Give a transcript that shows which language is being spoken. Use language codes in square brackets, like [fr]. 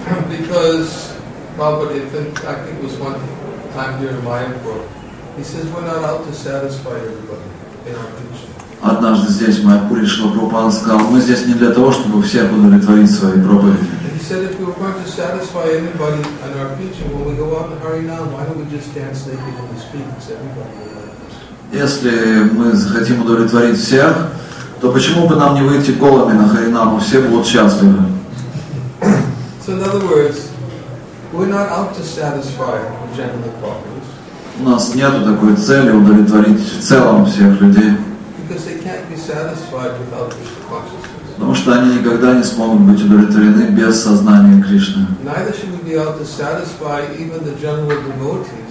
[en] Because Prabhupada, I think it was one time here in Mayapur, he says we're not out to satisfy everybody in our teaching. [ru] Однажды здесь в Майапуре Шрила Прабхупада сказал, мы здесь не для того, чтобы всех удовлетворить свои проповеди. [en] He said if we're going to satisfy anybody in our teaching, when we go out in Harinam, why don't we just dance naked in the streets? [ru] Если мы хотим удовлетворить всех, то почему бы нам не выйти голыми на Харинаму? Все будут счастливы. [en] So in other words, we're not out to satisfy the general populace. [ru] У нас нету такой цели удовлетворить в целом всех людей. [en] Because they can't be satisfied without Krishna consciousness. [ru] Потому что они никогда не смогут быть удовлетворены без сознания Кришны. [en] Neither should we be out to satisfy even the general devotees.